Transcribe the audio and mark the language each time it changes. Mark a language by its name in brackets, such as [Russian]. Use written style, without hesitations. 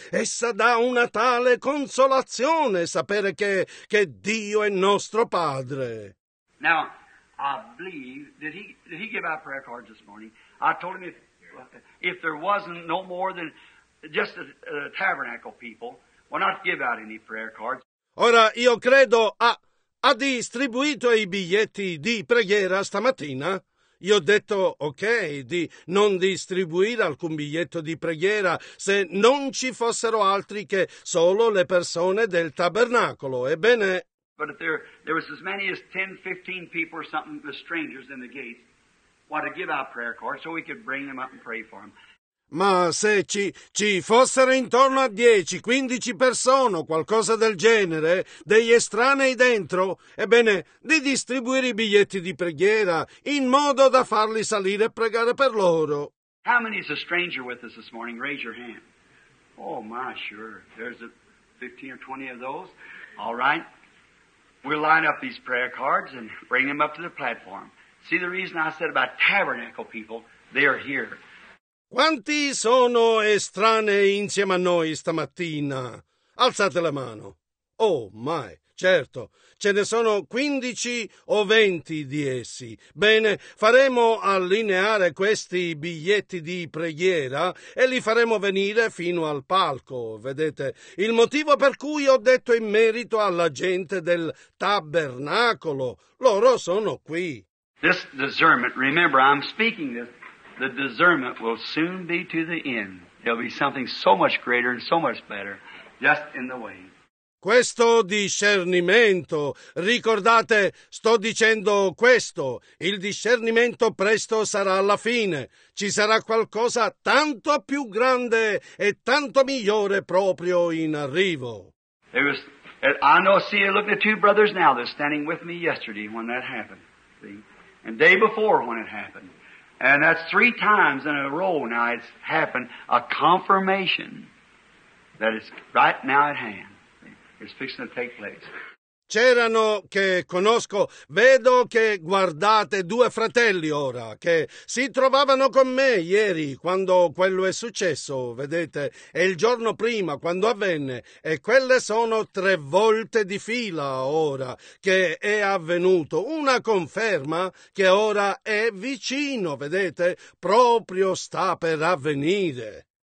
[Italian] Essa dà una tale consolazione, sapere che Dio è nostro Padre. [English] Now, I believe, did he give out prayer cards this morning? I told him if there wasn't no more than just the tabernacle people, why not give out any prayer cards? [Italian] Ora, io credo ha distribuito i biglietti di preghiera stamattina. Io ho detto, ok, di non distribuire alcun biglietto di preghiera se non ci fossero altri che solo le persone del tabernacolo. Ebbene... [English] But if there was as many as 10, 15 people or something, the strangers in the gates, want to give out prayer cards so we could bring them up and pray for them. [Italian] Ma se ci fossero intorno a 10, 15 persone o qualcosa del genere, degli estranei dentro, ebbene, di distribuire i biglietti di preghiera in modo da farli salire e pregare per loro. [English] How many is a stranger with us this morning? Raise your hand. Oh, my, sure. There's 15 or 20 of those. All right. We'll line up these prayer cards and bring them up to the platform. See, the reason I said about tabernacle people, they are here. [Italian] Quanti sono estranei insieme a noi stamattina? Alzate la mano. Oh, my. Certo, ce ne sono 15 o 20 di essi. Bene, faremo allineare questi biglietti di preghiera e li faremo venire fino al palco. Vedete, il motivo per cui ho detto in merito alla gente del tabernacolo, loro sono qui. [English] This discernment, remember I'm speaking this, the discernment will soon be to the end. There'll be something so much greater and so much better just in the way. [Italian] Questo discernimento, ricordate, sto dicendo questo, il discernimento presto sarà alla fine, ci sarà qualcosa tanto più grande e tanto migliore proprio in arrivo. [English] I know, see, look at the two brothers now, they're standing with me yesterday when that happened, see, and day before when it happened, and that's three times in a row now it's happened, a confirmation that it's right now at hand. It's fixing to take place. [Italian] C'erano che conosco, vedo che guardate due fratelli ora, che si trovavano con me ieri quando quello è successo, vedete, e il giorno prima quando avvenne, e quelle sono tre volte di fila ora che è avvenuto, una conferma che ora è vicino, vedete, proprio sta per avvenire.